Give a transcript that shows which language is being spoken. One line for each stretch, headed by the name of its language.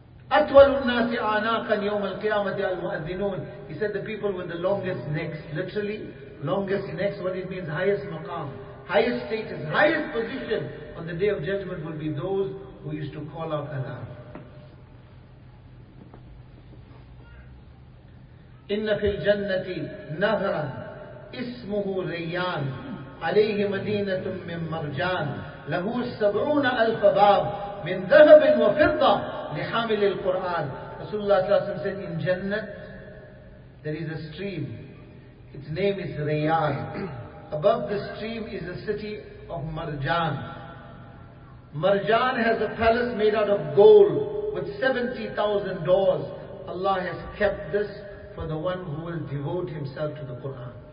Arabic: أَطْوَلُ النَّاسِ أَعْنَاقًا يَوْمَ الْقِيَامَةِ الْمُؤَذِّنُونَ
English: He said the people with the longest necks, literally, longest necks, what it means, highest maqam, highest status, highest position on the day of judgment will be those who used to call out Allah.
Arabic: إِنَّ فِي الْجَنَّةِ نَهْرًا اسمه ريان عليه مدينة من مرجان له 70,000 باب من ذهب وفضة لحامل القرآن رسول الله صلى الله عليه وسلم
English: said in Jannah there is a stream its name is
Arabic: ريان
English: above the stream is the city of Marjan. Marjan has a palace made out of gold with 70,000 doors. Allah has kept this for the one who will devote himself to the Quran.